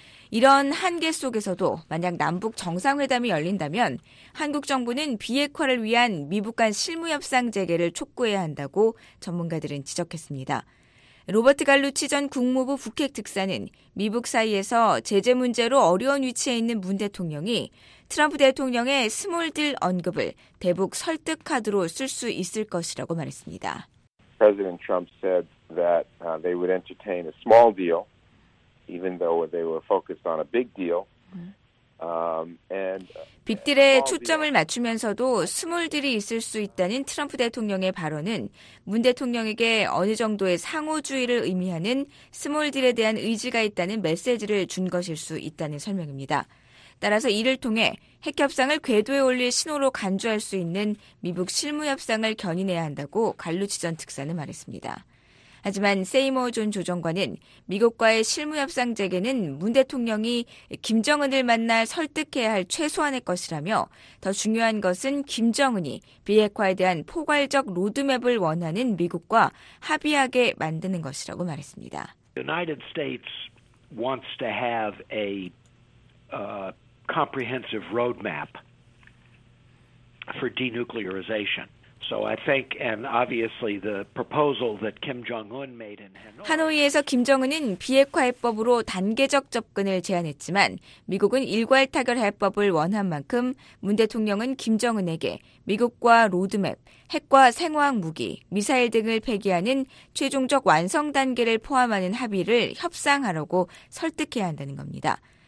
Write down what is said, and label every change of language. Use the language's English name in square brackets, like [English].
[Korean] 이런 한계 속에서도 만약 남북 정상회담이 열린다면 한국 정부는 비핵화를 위한 미북 간 실무협상 재개를 촉구해야 한다고 전문가들은 지적했습니다. 로버트 갈루치 전 국무부 북핵 특사는 미북 사이에서 제재 문제로 어려운 위치에 있는 문 대통령이 트럼프 대통령의 스몰 딜 언급을 대북 설득 카드로 쓸 수 있을 것이라고 말했습니다. [English] President Trump said that they would entertain a small deal. Even though they were focused on a big deal. [Korean] 빅딜에 초점을 맞추면서도 스몰딜이 있을 수 있다는 트럼프 대통령의 발언은 문 대통령에게 어느 정도의 상호주의를 의미하는 스몰딜에 대한 의지가 있다는 메시지를 준 것일 수 있다는 설명입니다. 따라서 이를 통해 핵협상을 궤도에 올릴 신호로 간주할 수 있는 미국 실무협상을 견인해야 한다고 갈루치 전 특사는 말했습니다. 하지만 세이머 존 조정관은 미국과의 실무협상 재개는 문 대통령이 김정은을 만나 설득해야 할 최소한의 것이라며 더 중요한 것은 김정은이 비핵화에 대한 포괄적 로드맵을 원하는 미국과 합의하게 만드는 것이라고 말했습니다. [English] United States wants to have a comprehensive roadmap for denuclearization. So I think, and obviously, the proposal that Kim Jong-un made in Hanoi. [Korean] 하노이에서 김정은은 비핵화 해법으로 단계적 접근을 제안했지만 미국은 일괄 타결 해법을 원한 만큼 문 대통령은 김정은에게 미국과 로드맵, 핵과 생화학 무기, 미사일 등을 폐기하는 최종적 완성 단계를 포함하는 합의를 협상하라고 설득해야 한다는 겁니다.